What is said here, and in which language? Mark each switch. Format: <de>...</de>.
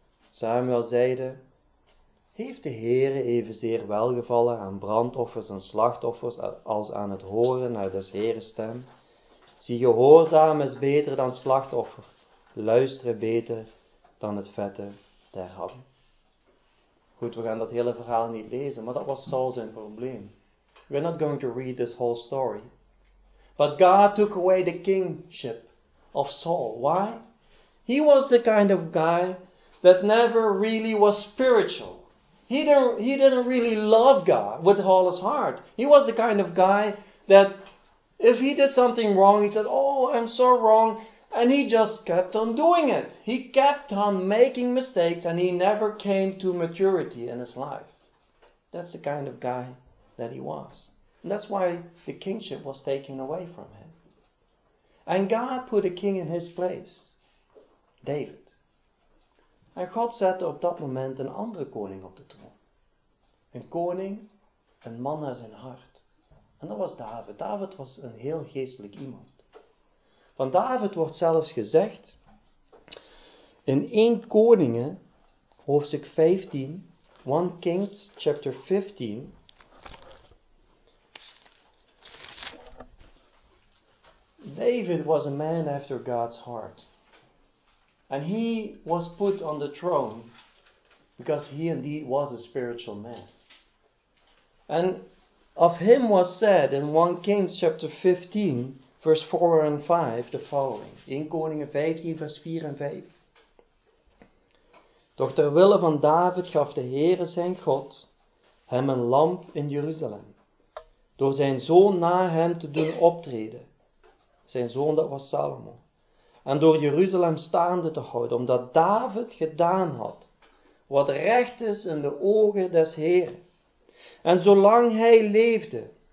<nl>Samuel zeide, heeft de Heere evenzeer welgevallen aan brandoffers en slachtoffers als aan het horen naar des Heeren stem? Zie, gehoorzaam is beter dan slachtoffer, luisteren beter dan het vette der hand. Goed, we gaan dat hele verhaal niet lezen, maar dat was Saul zijn probleem.</nl> <en>We're not going to read this whole story. But God took away the kingship of Saul. Why? He was the kind of guy that never really was spiritual. He didn't really love God with all his heart. He was the kind of guy that if he did something wrong, he said, oh, I'm so wrong. And he just kept on doing it. He kept on making mistakes and he never came to maturity in his life. That's the kind of guy that he was. And that's why the kingship was taken away from him. And God put a king in his place, David.</en> <nl>And God zette op dat moment een andere koning op de troon. Een koning, een man naar zijn hart. En dat was David. David was een heel geestelijk iemand. Van David wordt zelfs gezegd in 1 Koningen, hoofdstuk 15,</nl> <en>1 Kings, chapter 15. David was a man after God's heart. And he was put on the throne because he indeed was a spiritual man. And of him was said in 1 Kings, chapter 15, verse 4 and 5, the following.</en> <nl>1 Koningen 15, vers 4 en 5. Doch ter wille van David gaf de Heere zijn God hem een lamp in Jeruzalem, door zijn zoon na hem te doen optreden. Zijn zoon, dat was Salomo. En door Jeruzalem staande te houden, omdat David gedaan had wat recht is in de ogen des Heeren. En zolang hij leefde,</nl>